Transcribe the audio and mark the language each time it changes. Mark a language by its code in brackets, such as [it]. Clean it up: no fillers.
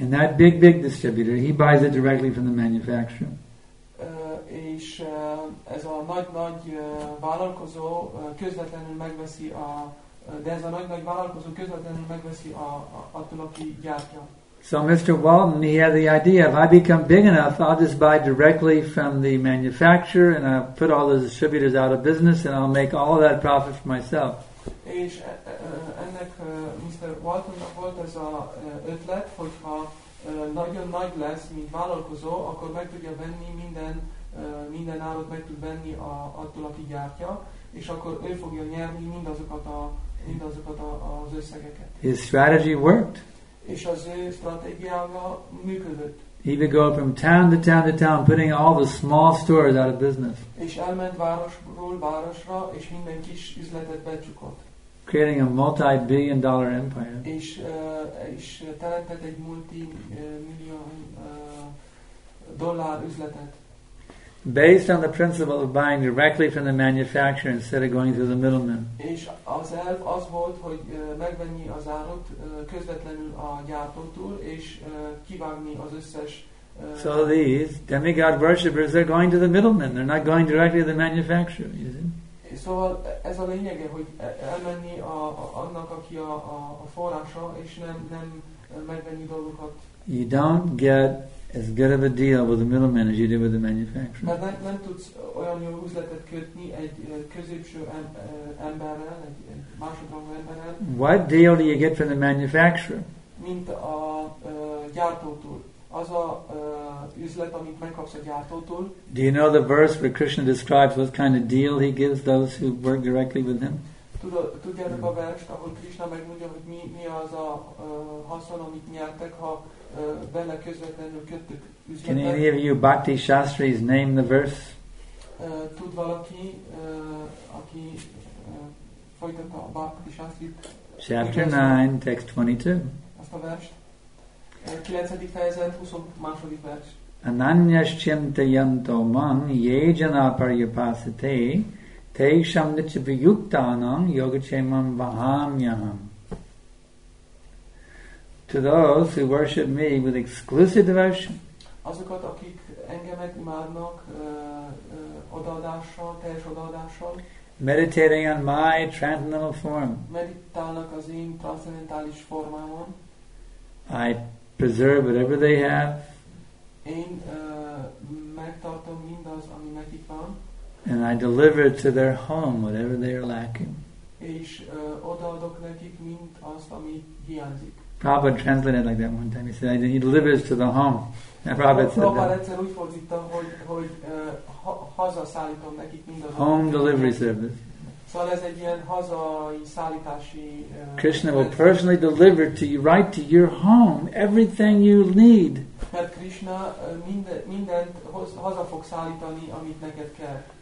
[en] And that big distributor, he buys it directly from the manufacturer. [hu] És ez a nagy vállalkozó közvetlenül megveszi a de ez a nagy vállalkozó közvetlenül megveszi attól, aki gyártja. [en] So Mr. Walton, he had the idea, if I become big enough, I'll just buy directly from the manufacturer and I'll put all the distributors out of business and I'll make all of that profit for myself. [hu] És ennek Mr. Waltonnak volt ez a ötlet, hogyha nagyon nagy lesz, mint vállalkozó, akkor meg tudja venni minden árat meg tud venni attól, aki gyártja, és akkor ő fogja nyerni mindazokat az összegeket. [en] His strategy worked. [hu] És az ő stratégiája működött. [en] He would go from town to town, putting all the small stores out of business. [hu] És elment városról városra, és minden kis üzletet becsukott. [en] Creating a multi-billion-dollar empire. [hu] És teremtett egy multimillion dollár üzletet. [en] Based on the principle of buying directly from the manufacturer instead of going through the middleman. [hu] És az elv az volt, hogy megvenni az árut közvetlenül a gyártótól, és kivágni az összes. [en] So these demigod worshippers are going to the middleman. They're not going directly to the manufacturer. You see? [hu] Szóval ez a lényege, hogy elmenni annak, aki a forrása, és nem megvenni dolgokat. [en] You don't get as good of a deal with the middleman as you do with the manufacturer. [hu] Mert nem tudsz olyan jó üzletet kötni egy középső emberrel, egy másodrangú emberrel. [en] What deal do you get from the manufacturer? [hu] Mint a gyártótól. Az a üzlet, amit megkapsz a gyártótól. [en] Do you know the verse where Krishna describes what kind of deal he gives those who work directly with him? [hu] Tudjátok a verset, ahol Krishna megmondja, hogy mi az a haszon, amit nyertek, ha benne közvetlenül köttök üzletet. [en] Can any of you Bhakti Shastris name the verse? [hu] Tud valaki, aki folytatta a Bhakti Shastrit? [en] Chapter 9, text 22. [hu] Azt a verset. 9. fejezet, 22. verset. [sa] Ananyaschintayanto man ye jana paryupasate teisham nichivyuktanam yogachemam vahamyaham. [en] To those who worship me with exclusive devotion, [hu] azokat, akik engemet imádnak odaadással, teljes odaadással, [en] meditating on my transcendental form, [hu] meditálnak az én transzendentális formámon, [en] I preserve whatever they have. [hu] Én megtartom mindaz, ami nekik van. [en] And I deliver to their home whatever they are lacking. [hu] És odaadok nekik mind azt, ami hiányzik. [en] Prabhupada translated like that one time. He said, he delivers to the home. And Prabhupada said that. [hu] Egyszer úgy fordítta, hogy hazaszállítom nekik mindaz. [en] Home delivery service. [hu] Szóval ez egy ilyen hazai szállítási. [en] Krishna will personally deliver to you, right to your home, everything you need. [hu] Mert Krishna mindent haza fog szállítani, amit neked kell.